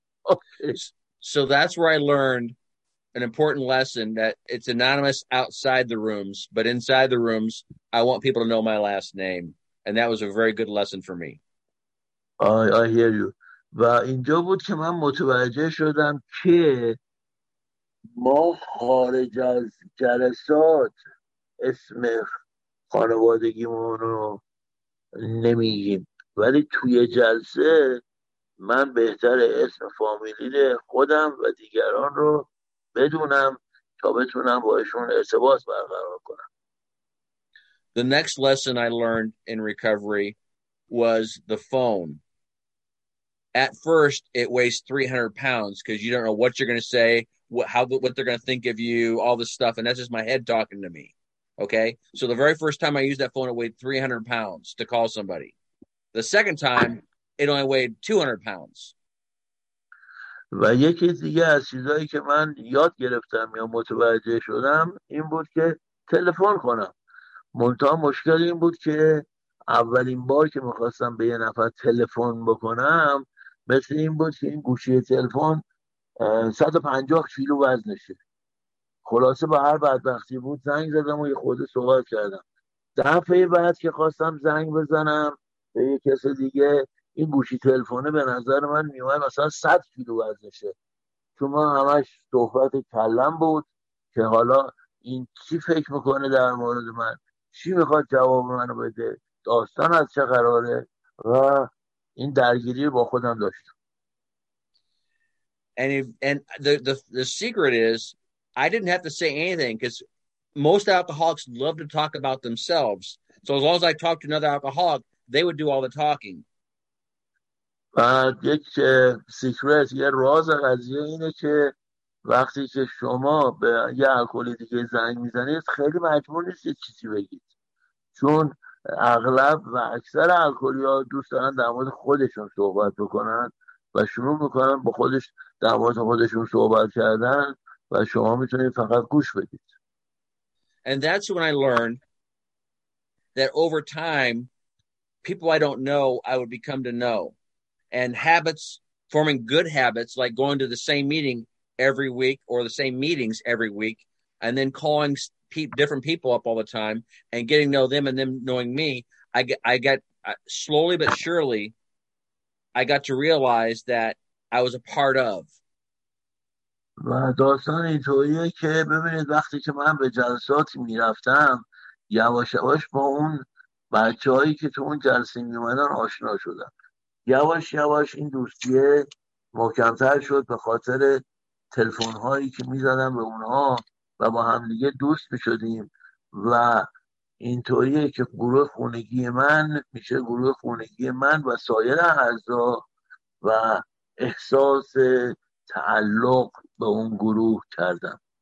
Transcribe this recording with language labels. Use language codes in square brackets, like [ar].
[en] Okay. So that's where I learned an important lesson that it's anonymous outside the rooms, but inside the rooms, I want people to know my last name. And that was a very good lesson for me. I hear you. [fa] و اینجا بود که من متوجه شدم که ما خارج از جلسات اسم خانوادگیمون رو نمیگیم. ولی توی جلسه من بهتر اسم فامیلی خودم و دیگران رو بدونم تا بتونم باشون ارتباط برقرار کنم. [en] The next lesson I learned in recovery was the phone. At first, it weighs 300 pounds because you don't know what you're going to say, what they're going to think of you, all this stuff. And that's just my head talking to me. Okay. So the very first time I used that phone, it weighed 300 pounds to call somebody. The second time, it only weighed 200 pounds. [fa] و یکی دیگه از چیزایی که من یاد گرفتم یا متوجه شدم این بود که تلفن کنم. منتها مشکل این بود که اولین بار که میخواستم به یه نفر تلفن بکنم مثل این بود که این گوشی تلفن 150 کیلو وزنشه. خلاصه به هر بدبختی بود زنگ زدم و یه خود صحبت کردم. دفعه بعد که خواستم زنگ بزنم به یه کس دیگه، این گوشی تلفنه به نظر من میومد مثلا 100 کیلو وزنشه، چون من همش صحبت کلم بود که حالا این چی فکر میکنه در مورد من، چی میخواد جواب منو بده، داستان از چه قراره، و این درگیری با خودم داشتم. [en] And the secret is, I didn't have to say anything because most alcoholics love to talk about themselves. So as long as I talked to another alcoholic, they would do all the talking. [fa] بعد یک سیکرت، یه راز قضیه اینه که وقتی که شما به یه الکلی دیگه زنگ میزنید خیلی مجبور نیستید چیزی بگید، چون اغلب و اکثر الکلی ها دوست دارن در مورد خودشون صحبت بکنن و شروع میکنن با خودش در مورد خودشون صحبت کردن و شما میتونید فقط گوش بدید. [en] And that's when I learned that over time, people I don't know, I would become to know. And habits, forming good habits, like going to the same meeting every week or the same meetings every week, and then calling different people up all the time and getting to know them and them knowing me, slowly but surely, I got to realize that I was a part of. [fa] و داستان اینطوریه که ببینید وقتی که من به جلسات میرفتم یواش یواش با اون بچه هایی که تو اون جلسه میومدن آشنا شدم، یواش یواش این دوستیه محکمتر شد به خاطر تلفن هایی که میزدم به اونها و با همدیگه دوست میشدیم، و اینطوریه که گروه خونگی من میشه گروه خونگی من و سایر اعضا، و احساس تعلق به اون گروه کردم.